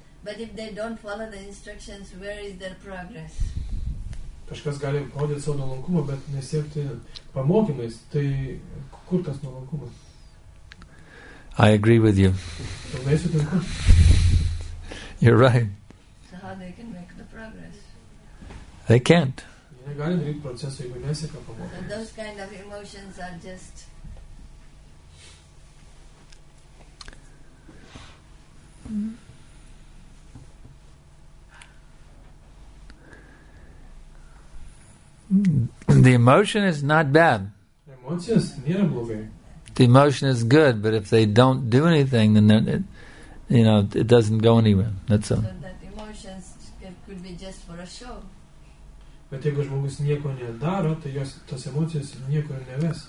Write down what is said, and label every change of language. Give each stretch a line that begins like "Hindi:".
English: But if they don't follow the instructions, where is their progress?
Lithuanian: Kažkas gali rodyti savo nuolankumą, bet nesiekti pamokymais. Tai kur tas nuolankumas?
English: I agree with you. You're right. So how they can make the progress? They can't. And those kind of emotions are just... The emotion is not bad.
Lithuanian: Emotions nėra blogai.
English: The emotion is good, but if they don't do anything, then it, you know, it doesn't go anywhere. That's all. So that emotions could be just for a show.
Lithuanian: Bet jeigu žmogus nieko nedaro, tai jos tos emocijos niekur neves.